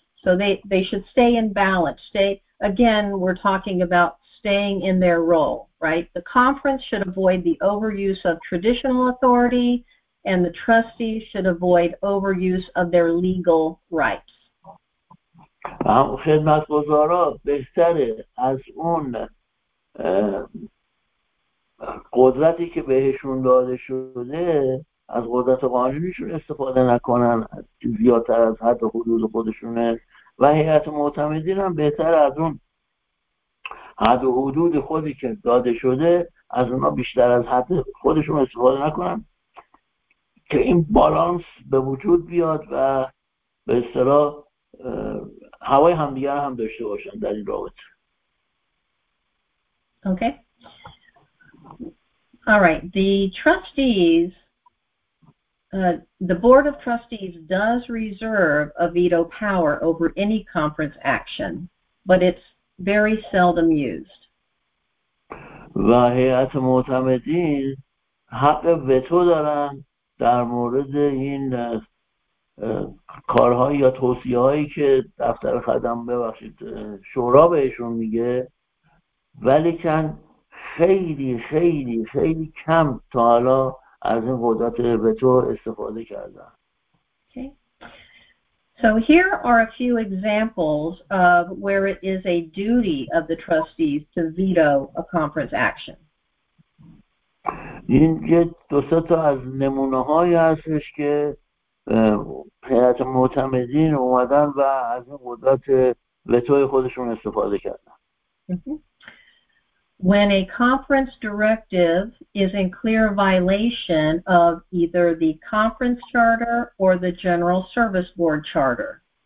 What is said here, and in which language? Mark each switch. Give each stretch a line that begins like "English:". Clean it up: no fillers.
English: So they should stay in balance. Again, we're talking about staying in their role, right? The conference should avoid the overuse of traditional authority, and the trustees should avoid overuse of their legal rights.
Persian: خدمتگزارا بهتره از اون قدرتی که بهشون داده شده از قدرت قانونیشون استفاده نکنن زیادتر از حد حدود خودشونه، و هیئت معتمدین هم بهتر از اون حد و حدود خودی که داده شده از اونا بیشتر از حد خودشون استفاده نکنن که این بالانس به وجود بیاد و به اصطلاح هوای همدیگر هم داشته باشن در این رابطه.
English: Okay. All right. The trustees, the board of trustees does reserve a veto power over any conference action, but it's very seldom used.
Persian: و هیئت معتمدین حق وتو دارن در مورد این کارها یا توصیه هایی که دفتر خدم ببخشید شورا بهشون میگه، ولیکن خیلی خیلی خیلی کم تا حالا از این قدرت وتو استفاده کردن.
English: So here are a few examples of where it is a duty of the trustees to veto a conference action.
Persian: این یه دو سه تا از نمونه هایی هستش که هیئت معتمدین اومدن و از این قدرت وتوی خودشون استفاده کردن.
English: When a conference directive is in clear violation of either the conference charter or the general service board charter.